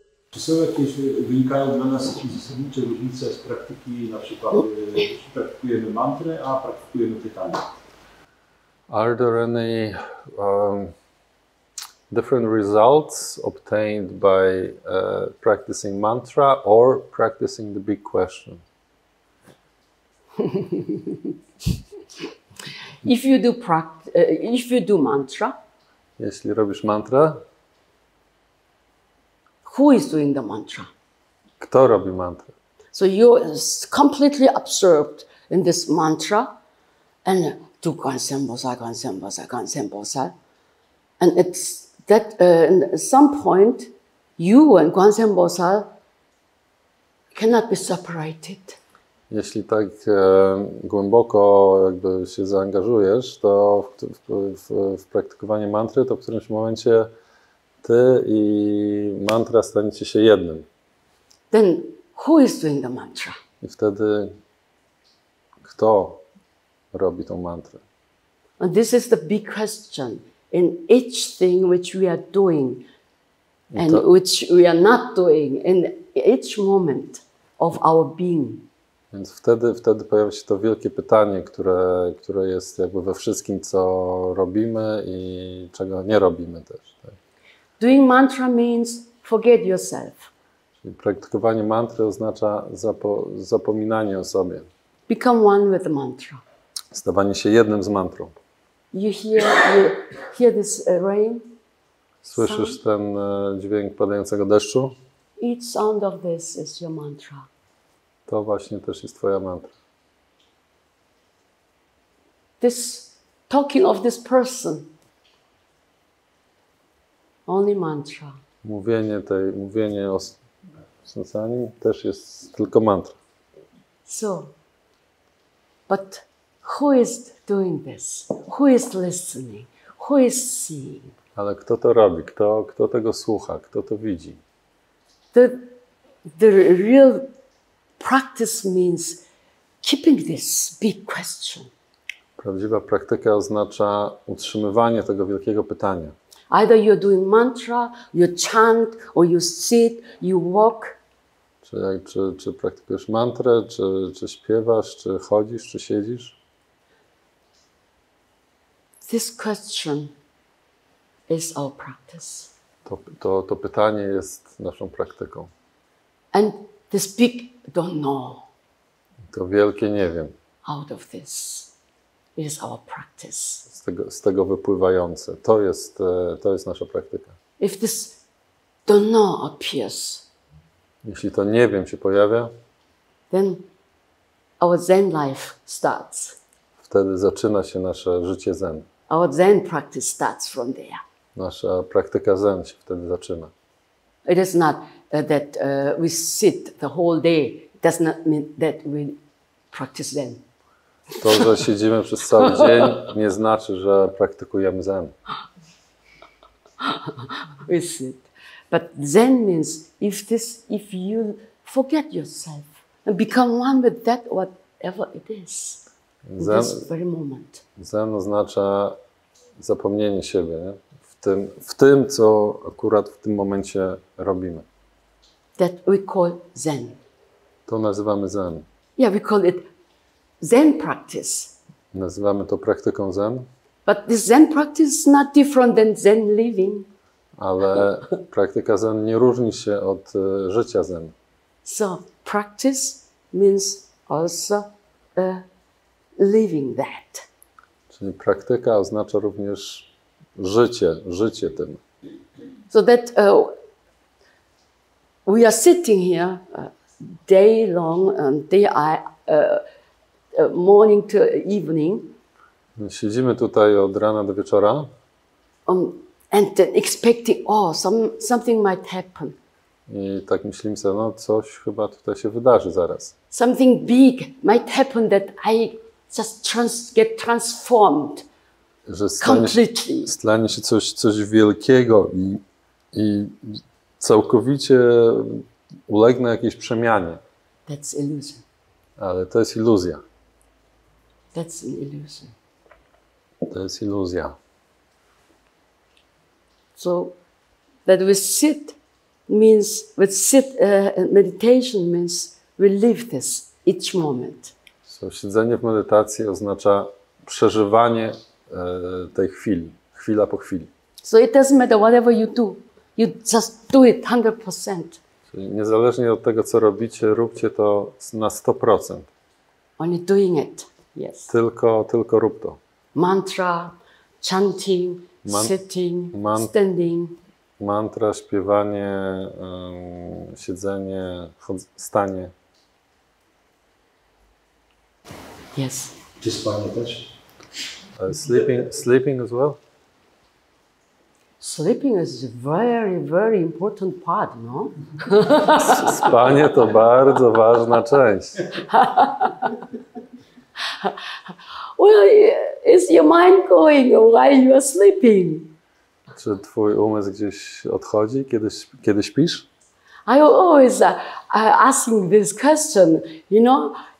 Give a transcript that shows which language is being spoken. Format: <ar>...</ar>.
<pl>Czy są jakieś, wynikają dla nas jakieś zasadnicze różnice z praktyki, na przykład jeśli praktykujemy mantrę, a praktykujemy pytanie?</pl> <en>Are there any different results obtained by practicing mantra or practicing the big question? if you do mantra,</en> <pl>jeśli robisz mantra,</pl> <en>who is doing the mantra?</en> <pl>Kto robi mantrę?</pl> <en>So you are completely absorbed in this mantra and tu kwansem bosa, kwansem bosa, kwansem bosa. And it's that at some point you and kwansem bosa cannot be separated.</en> <pl>Jeśli tak głęboko jakby się zaangażujesz, to w praktykowanie mantry, to w którymś momencie ty i mantra staniecie się jednym.</pl> <en>Then who is doing the mantra?</en> <pl>I wtedy kto robi tą mantrę?</pl> <en>And this is the big question in each thing which we are doing and to, which we are not doing in each moment of our being.</en> <pl>Więc wtedy pojawia się to wielkie pytanie, które jest jakby we wszystkim, co robimy i czego nie robimy też. Tak?</pl> <en>Doing mantra means forget yourself.</en> <pl>Czyli praktykowanie mantry oznacza zapominanie o sobie.</pl> <en>Become one with the mantra.</en> <pl>Stawanie się jednym z mantrą.</pl> <en>You hear this rain?</en> <pl>Słyszysz</pl> <en>sound?</en> <pl>Ten dźwięk padającego deszczu?</pl> <en>Each sound of this is your mantra.</en> <pl>To właśnie też jest twoja mantra.</pl> <en>This talking of this person. Only mantra.</en> <pl>Mówienie o Sansani też jest tylko mantra.</pl> <en>So, but who is doing this? Who is listening? Who is seeing?</en> <pl>Ale kto to robi? Kto tego słucha? Kto to widzi?</pl> <en>The real practice means keeping this big question.</en> <pl>Prawdziwa praktyka oznacza utrzymywanie tego wielkiego pytania.</pl> <en>Either you're doing mantra, you chant, or you sit, you walk.</en> <pl>Czy praktykujesz mantrę, czy śpiewasz, czy chodzisz, czy siedzisz?</pl> <en>This question is our practice.</en> <pl>To pytanie jest naszą praktyką.</pl> <en>And this big don't know.</en> <pl>To wielkie nie wiem.</pl> <en>Out of this. It is our practice.</en> <pl>Z tego wypływające. To jest nasza praktyka.</pl> <en>If this don't know appears,</en> <pl>jeśli to nie wiem się pojawia,</pl> <en>then our Zen life starts.</en> <pl>Wtedy zaczyna się nasze życie Zen.</pl> <en>Our Zen practice starts from there.</en> <pl>Nasza praktyka Zen się wtedy zaczyna.</pl> <en>It is not that we sit the whole day. It does not mean that we practice Zen.</en> <pl>To, że siedzimy przez cały dzień, nie znaczy, że praktykujemy Zen.</pl> <en>We sit. But Zen means if you forget yourself and become one with that whatever it is. Zen, in this very moment.</en> <pl>Zen oznacza zapomnienie siebie w tym, co akurat w tym momencie robimy.</pl> <en>That we call Zen.</en> <pl>To nazywamy Zen.</pl> <en>Yeah, we call it Zen practice.</en> <pl>Nazywamy to praktyką Zen.</pl> <en>But this Zen practice is not different than Zen living.</en> <pl>Ale praktyka Zen nie różni się od życia Zen.</pl> <en>So practice means also living that.</en> <pl>Czyli praktyka oznacza również życie tym.</pl> <en>So that we are sitting here day long and day morning to evening.</en> <pl>Siedzimy tutaj od rana do wieczora.</pl> <en>And then expecting, oh, something might happen.</en> <pl>I tak myślimy sobie, no coś chyba tutaj się wydarzy zaraz.</pl> <en>Something big might happen that I just get transformed completely.</en> <pl>Stanie się coś wielkiego i całkowicie ulegnę jakiejś przemianie.</pl> <en>That's illusion.</en> <pl>Ale to jest iluzja.</pl> <en>That's an illusion.</en> <pl>To jest iluzja.</pl> <en>So that we sit means with meditation means we live this each moment.</en> <pl>So siedzenie w medytacji oznacza przeżywanie tej chwili, chwila po chwili.</pl> <en>So it doesn't matter whatever you do, you just do it 100%.</en> <pl>Czyli niezależnie od tego, co robicie, róbcie to na 100%.</pl> <en>Only doing it, yes.</en> <pl>Tylko rób to.</pl> <en>Mantra, chanting, sitting, standing.</en> <pl>Mantra, śpiewanie, siedzenie, stanie.</pl> <en>Yes.</en> <pl>Czy spanie też?</pl> <en>Sleeping as well? Sleeping is a very, very important part, no?</en> <pl>Spanie to bardzo ważna część.</pl> <en>Well, is your mind going while you are sleeping?</en> <pl>Czy twój umysł gdzieś odchodzi, kiedy śpisz?</pl> <en>I always asking this question, you know?</en>